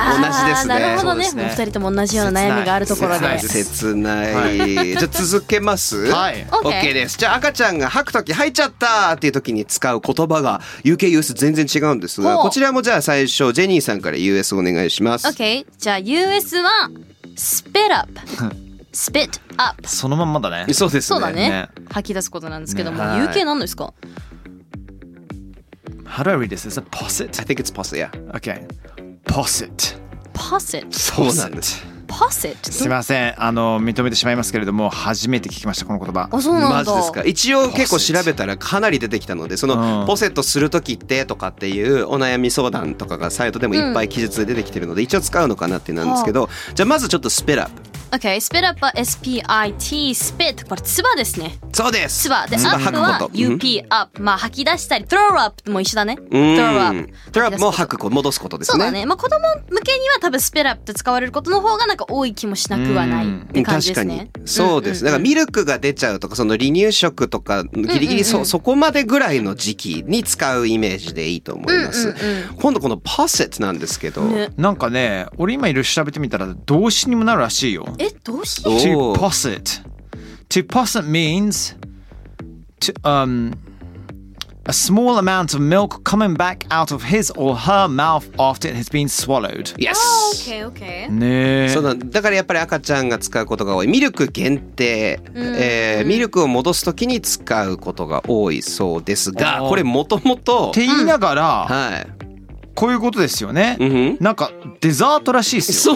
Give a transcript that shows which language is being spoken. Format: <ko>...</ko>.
<ja>同じですね。なるほどね。お二人とも同じような悩みがあるところで。切ない。続けます、はい、 OK です。じゃあ赤ちゃんが吐くとき吐いちゃったっていうときに使う言葉が UK US 全然違うんですが、こちらもじゃあ最初ジェニーさんから US お願いします。 OK、 じゃあ US は spit up spit up。そのまんまだね。そうですね。そうだ ね、 吐き出すことなんですけども、ね、UK 何ですか。</ja> <en>How do I read this? Is it posset? I think it's posset, yeah. OK, posset posset。</en> <ja>そうなんです。</ja> <en>Posset?</en> <ja>すいません、あの認めてしまいますけれども、初めて聞きましたこの言葉。あ、そうなんだ。マジですか。一応結構調べたらかなり出てきたので、その、うん、ポセットするときってとかっていうお悩み相談とかがサイトでもいっぱい記述で出てきてるので、うん、一応使うのかなってなんですけど、うん、じゃあまずちょっとスペラップ。 OK、スペラップは SPIT、スペット、これ唾ですね。そうです。唾で、唾吐くこと。 UP、UP、うん、まあ吐き出したり、 Throw up も一緒だね。</ja> <en>Throw up、</en> <ja>Throw up も吐く、戻すことですね。そうだね。まあ子供向けには多分スペラップって使われることの方がなんか多い気もしなくはないって感じですね。確かにそうです、うんうんうん、だからミルクが出ちゃうとか、その離乳食とかギリギリ そこまでぐらいの時期に使うイメージでいいと思います、うんうんうん、今度この Posset なんですけど、ね、なんかね、俺今いろいろ調べてみたら動詞にもなるらしいよ。え、動詞？</ja> <en>To posset. To posset means to, a small amount of milk coming back out of his or her mouth after it has been swallowed. Yes. Okay, okay.</en> <ja>ね、そうだ。だからやっぱり赤ちゃんが使うことが多い。ミルク限定、ミルクを戻すときに使うことが多いそうですが、これもともとって言いながら、うん、はい、こういうことですよね、うん、なんかデザートらしいですよ。</ja>